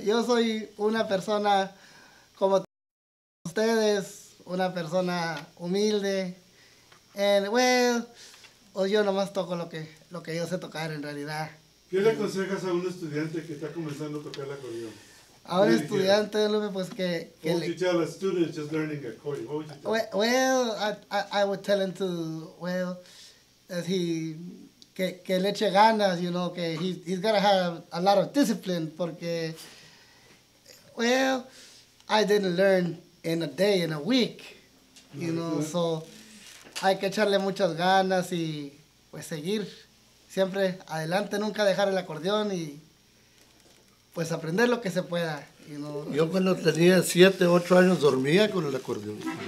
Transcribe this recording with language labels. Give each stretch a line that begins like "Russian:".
Spanish: Yo soy una persona como ustedes, una persona humilde.
English: And well,
Spanish: yo nomás toco lo que yo sé tocar en realidad. ¿Qué le aconsejas a un estudiante que está comenzando a tocar el acordeón? A un estudiante, Lupe, pues que... ¿Qué le dirías a un estudiante que está aprendiendo acordeón?
English: I would tell him to, well, as he,
Spanish: que le eche ganas,
English: you know,
Spanish: que
English: he's got to have a lot of discipline,
Spanish: porque,
English: well, I didn't learn in a day, in a week, you know, okay. So
Spanish: hay que echarle muchas ganas y, pues, seguir. Siempre adelante, nunca dejar el acordeón y pues aprender lo que se pueda. Y no... Yo cuando tenía 7, 8 años dormía con el acordeón.